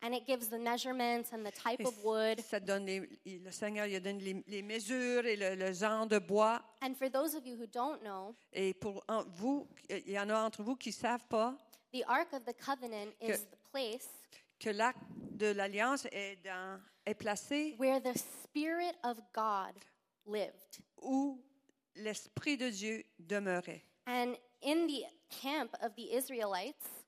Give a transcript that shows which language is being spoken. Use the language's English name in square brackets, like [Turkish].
[English] And it gives the measurements and the type of wood. [French] Ça donne le Seigneur il donne les mesures et le genre de bois. [English] And for those of you who don't know. [French] Et pour vous, il y en a entre vous qui savent pas. [English] The Ark of the Covenant is the place [French] que l'Arche de l'Alliance est placé [English] where the Spirit of God lived. [French] Où l'Esprit de Dieu demeurait. [English] And in the camp of the Israelites,